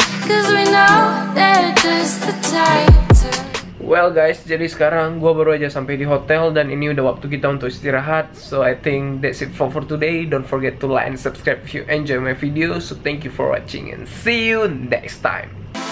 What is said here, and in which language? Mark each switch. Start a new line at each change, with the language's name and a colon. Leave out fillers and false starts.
English: 'Cause we know they're just the type to...
Indonesian: Well guys, jadi sekarang gua baru aja sampai di hotel dan ini udah waktu kita untuk istirahat.
English: So I think that's it for today. Don't forget to like and subscribe if you enjoy my video. So thank you for watching and see you next time.